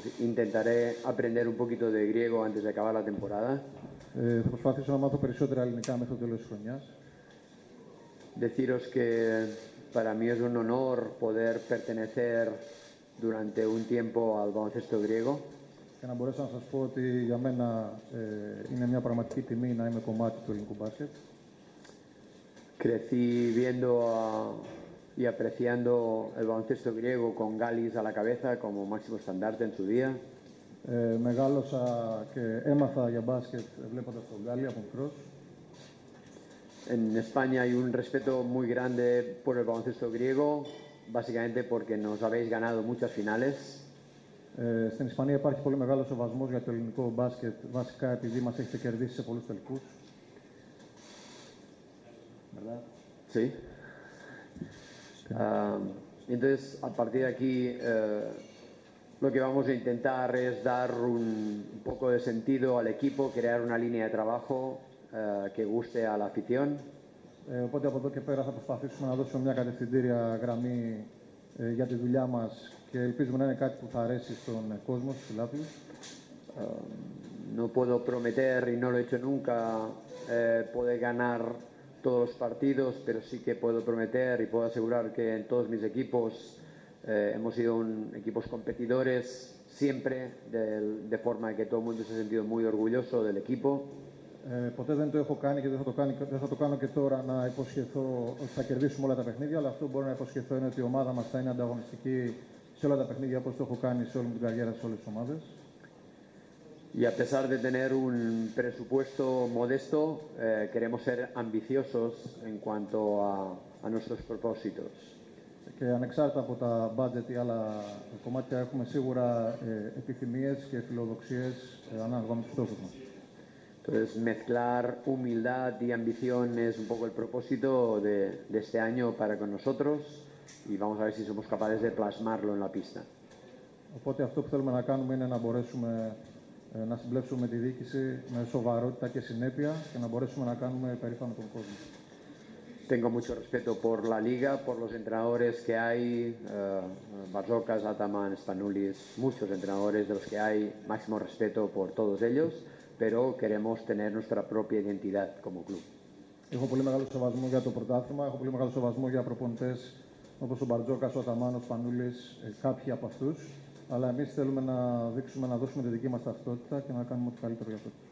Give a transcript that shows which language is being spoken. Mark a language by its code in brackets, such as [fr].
[es] Intentaré aprender un poquito de griego antes de acabar la temporada. [el] Προσπαθήσω να μάθω περισσότερα ελληνικά μέχρι το τέλος της χρονιάς. [es] Deciros que para mí es un honor poder pertenecer durante un tiempo al baloncesto griego. [el] Και να μπορέσω να σας πω ότι για μένα είναι μια πραγματική τιμή να είμαι κομμάτι του ελληνικού μπάσκετ. [es] Crecí viendo y apreciando el baloncesto griego con Galis a la cabeza como máximo estandarte en su día. [el] Μεγάλωσα και έμαθα για μπάσκετ βλέποντας τον Γκάλι από μικρός. [es] En España hay un respeto muy grande por el baloncesto griego, básicamente porque nos habéis ganado muchas finales. [el] Στην Ισπανία υπάρχει πολύ μεγάλο σεβασμό για το ελληνικό μπάσκετ, βασικά επειδή μας έχετε κερδίσει σε πολλούς τελικούς. [es] Sí. Entonces, a partir de aquí, lo que vamos a intentar es dar un poco de sentido al equipo, crear una línea de trabajo que guste a la afición. [el] Οπότε από εδώ και πέρα θα προσπαθήσουμε να δώσουμε μια κατευθυντήρια γραμμή για τη δουλειά μας και ελπίζουμε να είναι κάτι που θα αρέσει στον κόσμο, στους φιλάθλους. [es] No puedo prometer y no lo he hecho nunca poder ganar todos los partidos, pero sí que puedo prometer y puedo asegurar que en todos mis equipos hemos sido equipos competidores siempre, de forma que todo el mundo se ha sentido muy orgulloso del equipo. [el] Ποτέ δεν το έχω κάνει και δεν θα το κάνω και τώρα να υποσχεθώ ότι θα κερδίσουμε όλα τα παιχνίδια, αλλά αυτό που μπορώ να υποσχεθώ είναι ότι η ομάδα μας θα είναι ανταγωνιστική σε όλα τα παιχνίδια όπως το έχω κάνει σε όλη μου την καριέρα, σε όλες τις ομάδες. [es] Y a pesar de tener un presupuesto modesto, queremos ser ambiciosos en cuanto a nuestros propósitos. [el] Και ανεξάρτητα από τα budget ή άλλα κομμάτια, έχουμε σίγουρα επιθυμίες και φιλοδοξίες ανάλογα με τους στόχους μας. [es] Entonces, mezclar humildad y ambición es un poco el propósito de este año para con nosotros y vamos a ver si somos capaces de plasmarlo en la pista. [el] Οπότε αυτό που θέλουμε να κάνουμε είναι να μπορέσουμε να συμπλέξουμε τη διοίκηση με σοβαρότητα και συνέπεια και να μπορέσουμε να κάνουμε περήφανο τον κόσμο. [es] Tengo mucho respeto por la Liga, por los entrenadores que hay, Barzokas, Ataman, Spanoulis, muchos entrenadores de los que hay, máximo respeto por todos ellos. Pero queremos tener nuestra propia identidad como club. [el] Έχω πολύ μεγάλο σεβασμό για το πρωτάθλημα, έχω πολύ μεγάλο σεβασμό για προπονητές όπως ο Μπαρτζόκας, ο Αταμάνος, ο Πανούλης, κάποιοι από αυτούς. Αλλά εμείς θέλουμε να δείξουμε, να δώσουμε τη δική μας ταυτότητα και να κάνουμε ό,τι καλύτερο για αυτό.